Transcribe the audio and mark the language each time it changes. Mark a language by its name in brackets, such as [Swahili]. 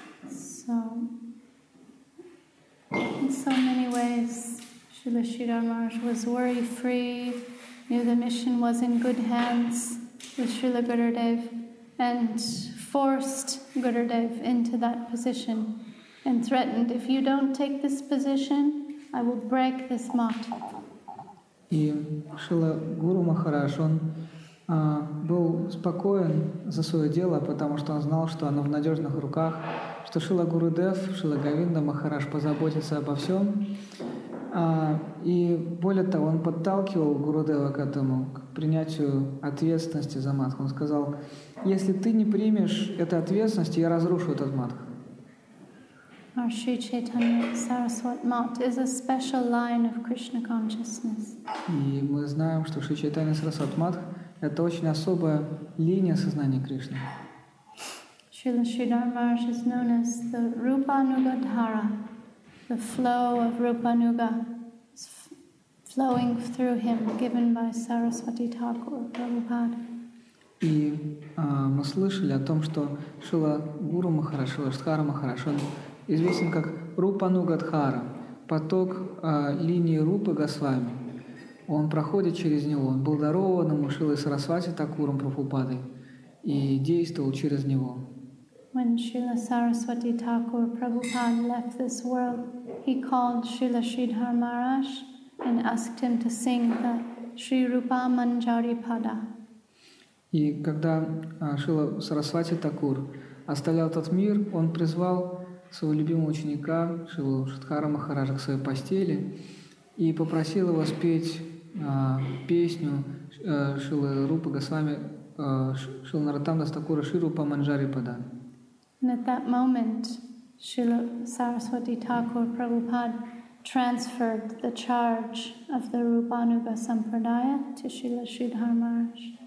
[English] So, in so many ways, Srila Sridhar Maharaj was worry-free, knew the mission was in good hands with Srila Gurudev, and forced Gurudev into that position and threatened, if you don't take this position, I will break this mat. [Russian] И Шрила Гуру Махарадж, он был спокоен за свое дело, потому что он знал, что оно в надежных руках, что Шрила Гурудев, Шрила Говинда Махарадж позаботится обо всем. И более того, он подталкивал Гурудева к этому, к принятию ответственности за матх. Он сказал, если ты не примешь этой ответственности, я разрушу этот матх. [English] Our Sri Chaitanya Saraswat Mat is a special line of Krishna consciousness. [Russian] И мы знаем, что Шри Чайтанья Сарасват Матх — это очень особая линия сознания Кришны. [English] Srila Sridhar Maharaj is known as the Rupa Nuga Dhara. The flow of Rupa Nuga is flowing through him, given by Saraswati Thakur Prabhupada. [Russian] И мы слышали о том, что Шрила Гуру Махарадж, Шрила Шридхара Махарадж, он известен как Рупа-Нугадхара, поток линии Рупы Госвами. Он проходит через него. Он был дарован ему Шрилой Сарасвати Такуром Прабхупадой и действовал через него. [English] When Srila Saraswati Thakur Prabhupada left this world, he called Srila Sridhar Maharaj and asked him to sing the Sri Rupa Manjari Pada. [Russian] И когда Шрила Сарасвати Такур оставлял этот мир, он призвал своего любимого ученика, Шрилу Шридхара Махараджа, к своей постели и попросил его спеть песню Шрилы Рупы Госвами, Шрилы Наратамда Стакура Ширупа Манджари Пада. [English] And at that moment, Srila Saraswati Thakur Prabhupada transferred the charge of the Rupanuga Sampradaya to Srila Sridhar Maharaj.